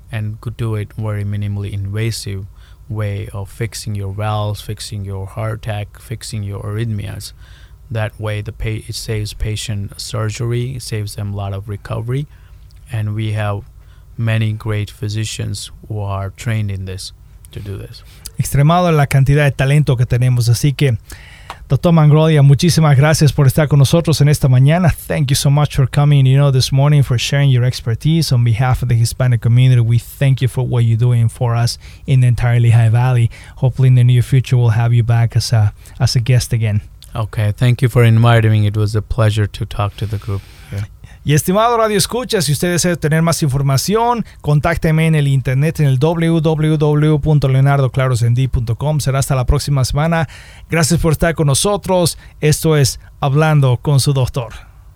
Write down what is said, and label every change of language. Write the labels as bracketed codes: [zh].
[en] and could do it very minimally invasive way of fixing your valves, fixing your heart attack, fixing your arrhythmias. That way it saves patient surgery, saves them a lot of recovery, and we have many great physicians who are trained in this to do this. [es] Extremado la cantidad de talento que tenemos, así que Dr. Mangrolia, muchísimas gracias por estar con nosotros en esta mañana. [en] Thank you so much for coming, you know, this morning, for sharing your expertise on behalf of the Hispanic community. We thank you for what you're doing for us in the entire Lehigh Valley. Hopefully in the near future we'll have you back as a guest again. Okay, thank you for inviting me. It was a pleasure to talk to the group. [es] Y estimado Radio Escucha, si usted desea tener más información, contácteme en el internet en el www.leonardoclarosmd.com. Será hasta la próxima semana. Gracias por estar con nosotros. Esto es Hablando con su Doctor.